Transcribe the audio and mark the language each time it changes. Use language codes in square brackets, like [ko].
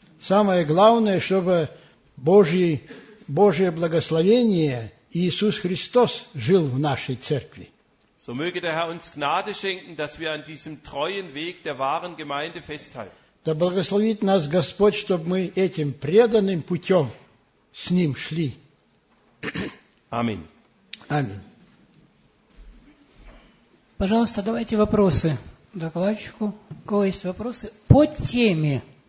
[ru] Самое главное, чтобы Божье благословение и Иисус Христос жил в нашей церкви. [de] So möge der Herr uns Gnade schenken, dass wir an diesem treuen Weg der wahren Gemeinde festhalten. [ru] Да благословит нас Господь, чтобы мы этим преданным путем с Ним шли. Аминь. Пожалуйста, давайте вопросы докладчику. У кого есть вопросы? По теме.